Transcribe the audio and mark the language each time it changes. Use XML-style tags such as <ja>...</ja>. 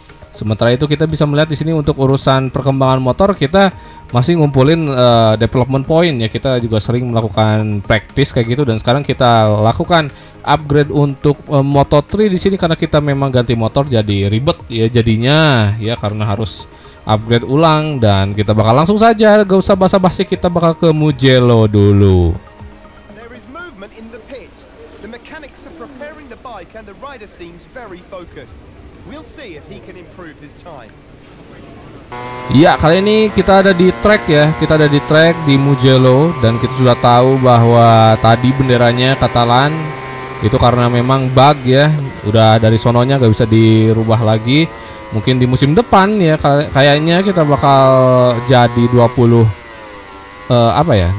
<id>Sementara itu kita bisa melihat di sini untuk urusan perkembangan motor, kita masih ngumpulin development point ya. Kita juga sering melakukan practice kayak gitu, dan sekarang kita lakukan upgrade untuk Moto3 di sini karena kita memang ganti motor, jadi ribet ya jadinya ya, karena harus upgrade ulang. Dan kita bakal langsung saja, gak usah basa-basi, kita bakal ke Mugello dulu.</id> <en>There is movement in the pit. The mechanics are preparing the bike and the rider seems very focused. We'll see if he can improve his time.</en> <id>Ya, kali ini kita ada di track ya. Kita ada di track di Mugello, dan kita sudah tahu bahwa tadi benderanya Catalan. Itu karena memang bug ya. Udah dari sononya gak bisa dirubah lagi. Mungkin di musim depan ya, kayaknya kita bakal jadi 20 apa ya?</id>